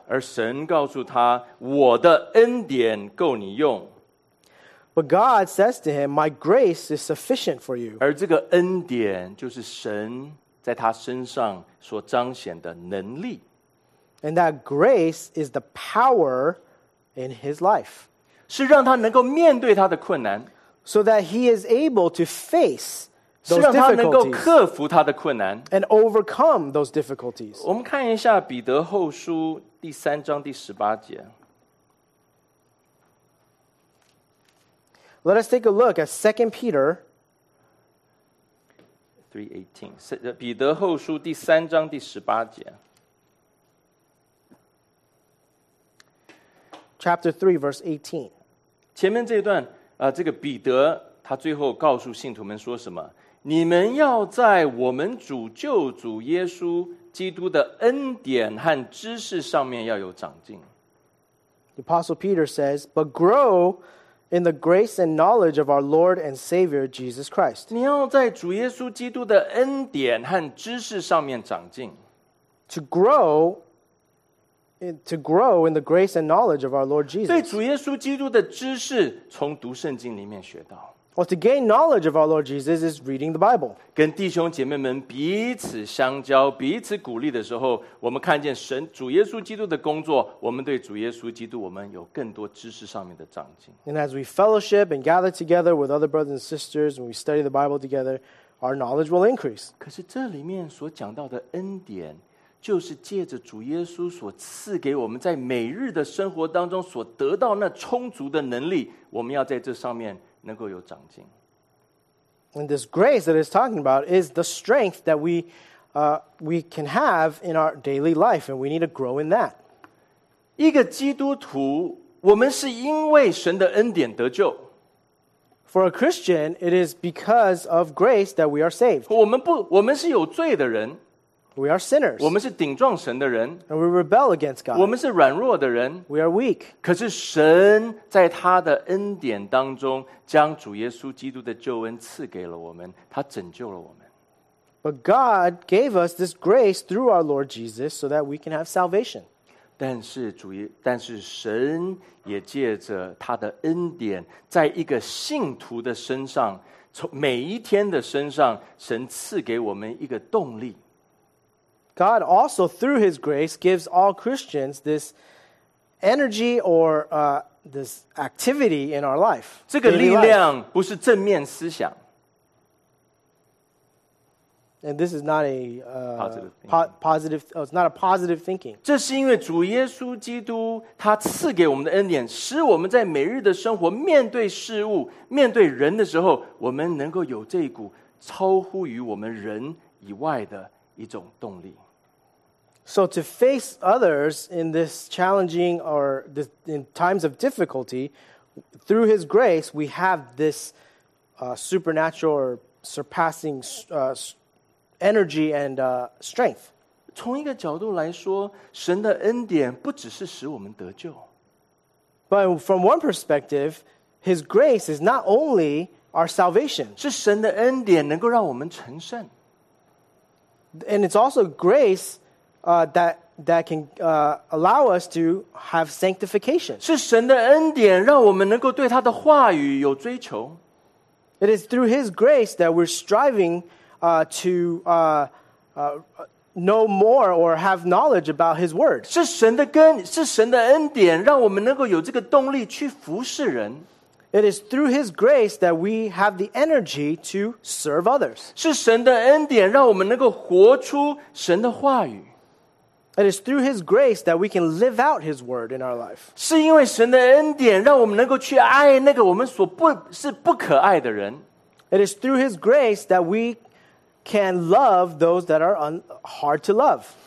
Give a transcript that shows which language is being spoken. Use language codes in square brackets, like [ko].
[zh] 而神告诉他，我的恩典够你用。 [en] But God says to him, My grace is sufficient for you. [zh] 而这个恩典就是神在他身上所彰显的能力。 [en] And that grace is the power in his life. [zh] 是让他能够面对他的困难。 [en] So that he is able to face those difficulties. [zh] 是让他能够克服他的困难。 [en] And overcome those difficulties. [zh] 我们看一下彼得后书第三章第十八节。 [en] Let us take a look at 2 Peter 3:18. [zh] 彼得后书第三章第十八节。 [en] Chapter 3, verse 18. [zh] 前面这一段，这个彼得他最后告诉信徒们说什么？你们要在我们主救主耶稣基督的恩典和知识上面要有长进。 [en] The Apostle Peter says, but grow in the grace and knowledge of our Lord and Savior Jesus Christ. [zh] 你要在主耶稣基督的恩典和知识上面长进。 [en] To grow in the grace and knowledge of our Lord Jesus. [zh] 对主耶稣基督的知识从读圣经里面学到。 [en] Well, to gain knowledge of our Lord Jesus is reading the Bible. [zh] 跟弟兄姐妹们彼此相交，彼此鼓励的时候，我们看见神主耶稣基督的工作，我们对主耶稣基督，我们有更多知识上面的长进。 [en] And as we fellowship and gather together with other brothers and sisters, and we study the Bible together, our knowledge will increase. [zh] 可是这里面所讲到的恩典，就是借着主耶稣所赐给我们在每日的生活当中所得到那充足的能力，我们要在这上面能够有长进。 [en] And this grace that it's talking about is the strength that we can have in our daily life, and we need to grow in that. [zh] 一个基督徒，我们是因为神的恩典得救。 [en] For a Christian, it is because of grace that we are saved. [zh] 我们是有罪的人。 [en] We are sinners. [zh] 我们是顶撞神的人。 [en] And we rebel against God. [zh] 我们是软弱的人。 [en] We are weak. [zh] 可是神在他的恩典当中将主耶稣基督的救恩赐给了我们，他拯救了我们。 [en] But God gave us this grace through our Lord Jesus so that we can have salvation. [zh] 但是神也借着他的恩典在一个信徒的身上，从每一天的身上，神赐给我们一个动力。 [en] God also, through His grace, gives all Christians this energy or this activity in our life. [zh] 这个力量不是正面思想。 [en] And this is not a positive thinking. It's not a positive thinking. [zh] 这是因为主耶稣基督他赐给我们的恩典，使我们在每日的生活面对事物、面对人的时候，我们能够有这一股超乎于我们人以外的一种动力。 [en] So to face others in this challenging or this, in times of difficulty, through His grace, we have this supernatural or surpassing energy and strength. [zh] 从一个角度来说，神的恩典不只是使我们得救。 [en] But from one perspective, His grace is not only our salvation. [zh] 是神的恩典能够让我们成圣。 [en] And it's also grace that can allow us to have sanctification. [zh] 是神的恩典让我们能够对他的话语有追求。 [en] It is through His grace that we're striving to know more or have knowledge about His word. [zh] 是神的恩典让我们能够有这个动力去服侍人。 [en] It is through His grace that we have the energy to serve others. [zh] 是神的恩典让我们能够活出神的话语。 [en] It is through His grace that we can live out His word in our life. [zh] 是因为神的恩典让我们能够去爱那个我们所不是不可爱的人。 [en] It is through His grace that we can love those that are hard to love.